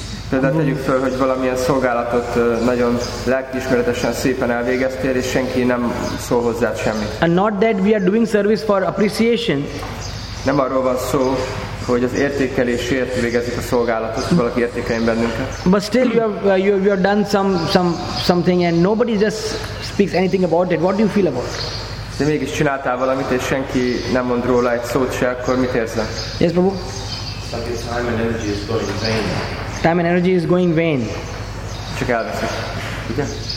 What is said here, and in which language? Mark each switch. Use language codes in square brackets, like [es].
[hu] Például tegyük fel, hogy valamilyen szolgálatot nagyon lelkiismeretesen szépen elvégeztél, és senki nem szól hozzád semmit. [en] And not that we are doing service for appreciation. [hu] Nem arról van szó, hogy az értékelésért végezik a szolgálatot, valaki értékeljen bennünket. [en] But still you have done something and nobody just speaks anything about it. What do you feel about? [hu] De mégis csináltál valamit, és senki nem mond róla egy szót se, akkor mit érzel? [en] Yes, Prabhu. Time and energy is going vain. Time and energy is going vain. [hu] Csak elveszik. Igen?